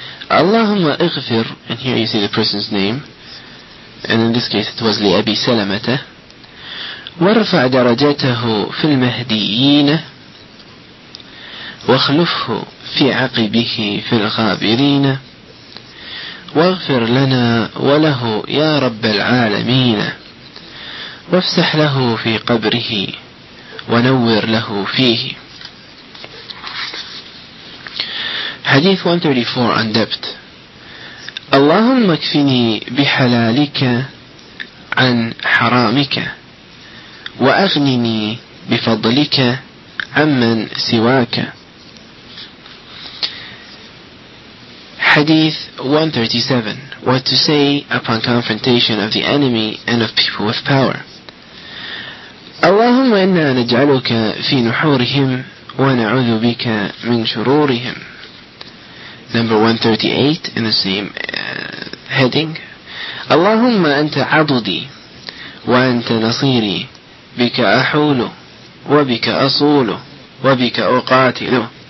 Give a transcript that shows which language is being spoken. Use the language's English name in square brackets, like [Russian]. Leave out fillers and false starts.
[English] Allahumma ighfir, and here you see the person's name, and in this case it was لأبي سلمة. [Arabic] وارفع درجته في المهديين واخلفه في عقبه في الغابرين واغفر لنا وله يا رب العالمين وافسح له في قبره ونور له فيه. حديث 134 عن دبت. اللهم اكفني بحلالك عن حرامك وأغنني بفضلك عمن سواك. حديث 137. [English] What to say upon confrontation of the enemy and of people with power. [Arabic] اللهم إنا نجعلك في نحورهم ونعوذ بك من شرورهم. [English] Number 138 in the same heading. [Arabic] اللهم أنت عضدي وأنت نصيري بك أحول وبك أصول وبك أقاتل.